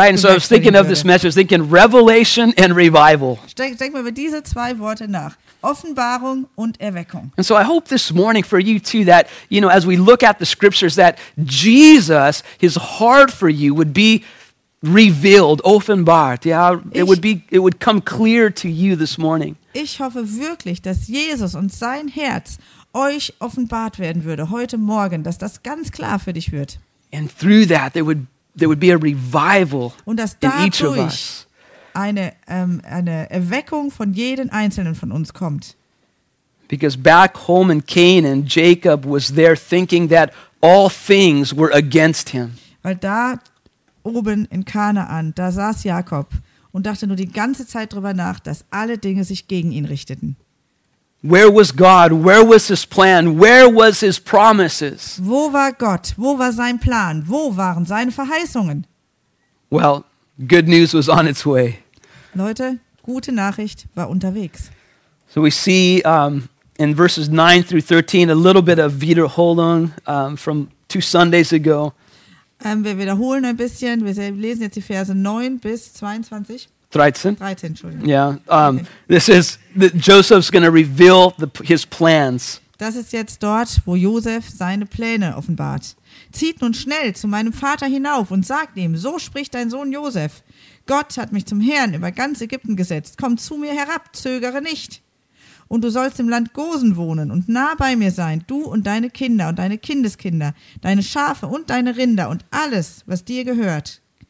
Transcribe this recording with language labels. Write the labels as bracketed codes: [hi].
[en] Right, and so I was thinking of this message, thinking revelation and revival. [de] Denk mal über diese zwei Worte nach. Offenbarung und Erweckung. [en] And so I hope this morning for you too that, you know, as we look at the scriptures, that Jesus, his heart for you would be revealed, offenbart. Yeah, it would come clear to you this morning. [de] Ich hoffe wirklich, dass Jesus und sein Herz euch offenbart werden würde heute Morgen, dass das ganz klar für dich wird. [en] And through that there would be a revival in each of us. [de] Und dass dadurch eine Erweckung von jedem einzelnen von uns kommt. [en] Because back home in Canaan, Jacob was there thinking that all things were against him. [de] Weil da oben in Kanaan, da saß Jakob und dachte nur die ganze Zeit drüber nach, dass alle Dinge sich gegen ihn richteten. [en] Where was God? Where was his plan? Where was his promises? [de] Wo war Gott? Wo war sein Plan? Wo waren seine Verheißungen? [en] Well, good news was on its way. [de] Leute, gute Nachricht war unterwegs. [en] So we see in verses 9 through 13 a little bit of Wiederholung from two Sundays ago. [de] Wir wiederholen ein bisschen. Wir lesen jetzt die Verse 9 bis 22. [en] 13. [de] 13, Entschuldigung. [en] Yeah. This is Joseph's going to reveal his plans. [de] Das ist jetzt dort, wo Josef seine Pläne offenbart. Zieht nun schnell zu meinem Vater hinauf und sagt ihm: So spricht dein Sohn Josef. Gott hat mich zum Herrn über ganz Ägypten gesetzt. Komm zu mir herab, zögere nicht. und du sollst im Land Gosen wohnen und nah bei mir sein, du und deine Kinder und deine Kindeskinder, deine Schafe und deine Rinder und alles, was dir gehört.